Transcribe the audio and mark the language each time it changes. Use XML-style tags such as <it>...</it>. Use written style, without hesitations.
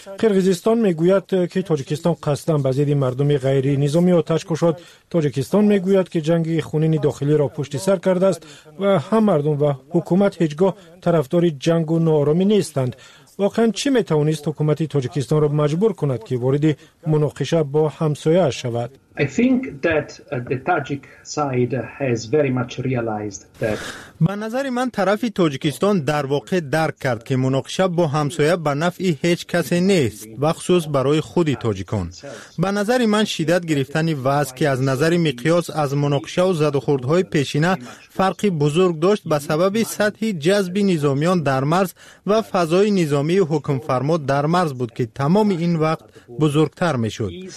<fa>قرقیزستان می گوید که تاجیکستان قصداً به زیر مردم غیر نظامی آتش گشاد. تاجیکستان می گوید که جنگ خونین داخلی را پشت سر کرده است و هم مردم و حکومت هیچگاه طرفدار جنگ و نارامی نیستند. واقعا چی می توانست حکومت تاجیکستان را مجبور کند که وارد مناقشه با همسایه اش شود؟</fa> <en>I think that the Tajik side has very much realized that.</en> <fa>به نظر من طرف تاجیکستان در واقع درک کرد که مناقشه با همسایه به نفع هیچ کسی نیست و خصوص برای خود تاجیکان. به نظر من شدت گرفتن وضع که از نظر مقیاس از مناقشه و زد و خوردهای پیشینه فرقی بزرگ داشت، به سبب سطح جذب نظامیان در مرز و فضای نظامی حکم فرما در مرز بود که تمام این وقت بزرگتر میشد.</fa>